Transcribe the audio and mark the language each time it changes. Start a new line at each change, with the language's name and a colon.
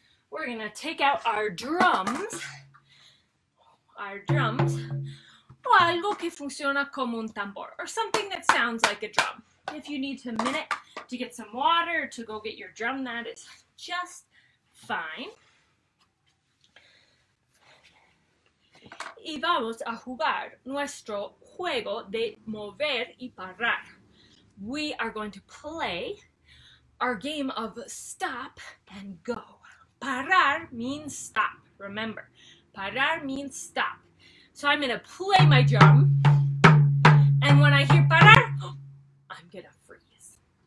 English: We're going to take out our drums,
Spanish: o algo que funciona como un tambor,
English: or something that sounds like a drum. If you need a minute to get some water, to go get your drum, that is just fine.
Spanish: Y vamos a jugar nuestro juego de mover y parar.
English: We are going to play our game of stop and go. Parar means stop, remember. Parar means stop. So I'm going to play my drum, and when I hear parar, I'm going to freeze.